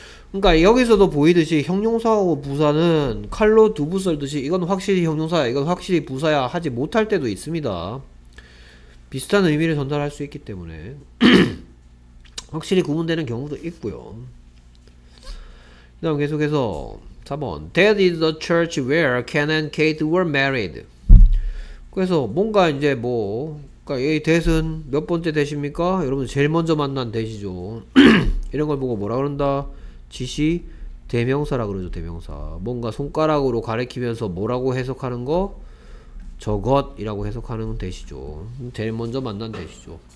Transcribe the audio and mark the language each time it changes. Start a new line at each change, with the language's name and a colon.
Korean: 그러니까 여기서도 보이듯이 형용사하고 부사는 칼로 두부 썰듯이 이건 확실히 형용사야, 이건 확실히 부사야 하지 못할 때도 있습니다. 비슷한 의미를 전달할 수 있기 때문에 확실히 구분되는 경우도 있고요. 그다음 계속해서 4번,
English: That is the church where Ken and Kate were married.
Korean: 그래서 뭔가 이제 뭐, 그러니까 이 대신 몇 번째 대신입니까? 여러분 제일 먼저 만난 대시죠. 이런 걸 보고 뭐라 그런다? 지시 대명사라 그러죠. 대명사. 뭔가 손가락으로 가리키면서 뭐라고 해석하는 거? 저것이라고 해석하는 대시죠. 제일 먼저 만난 대시죠.